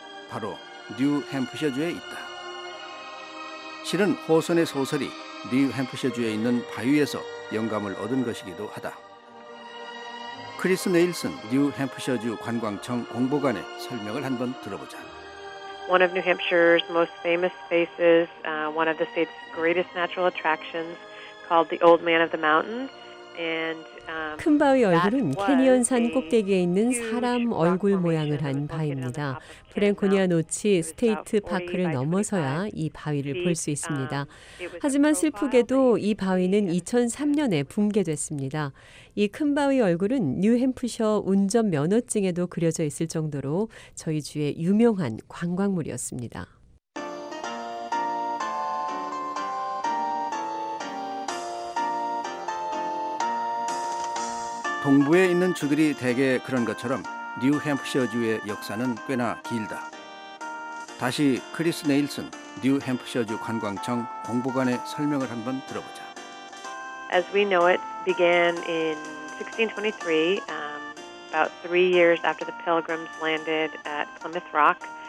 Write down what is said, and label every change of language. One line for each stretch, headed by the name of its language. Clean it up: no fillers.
Korean: 바로 뉴햄프셔주에 있다. 실은 호손의 소설이 뉴햄프셔주에 있는 바위에서 영감을 얻은 것이기도 하다. 크리스 네일슨 뉴햄프셔주 관광청 공보관의 설명을 한번 들어보자.
English: one of New Hampshire's most famous spaces, one of the state's greatest natural attractions called the Old Man of the Mountains. And,
Korean: 큰 바위 얼굴은 캐니언산 꼭대기에 있는 사람 얼굴 모양을 한 바위입니다. 프랭코니아 노치 스테이트 파크를 넘어서야 이 바위를 볼 수 있습니다. 하지만 슬프게도 이 바위는 2003년에 붕괴됐습니다. 이 큰 바위 얼굴은 뉴햄프셔 운전 면허증에도 그려져 있을 정도로 저희 주의 유명한 관광물이었습니다. 동부에 있는 주들이 대개 그런 것처럼 뉴햄프셔주의 역사는 꽤나 길다. 다시 크리스 네일슨 뉴햄프셔주 관광청 공보관의 설명을 한번 들어보자.
English: As we know it began in 1623, about 3 years after the Pilgrims landed at Plymouth Rock.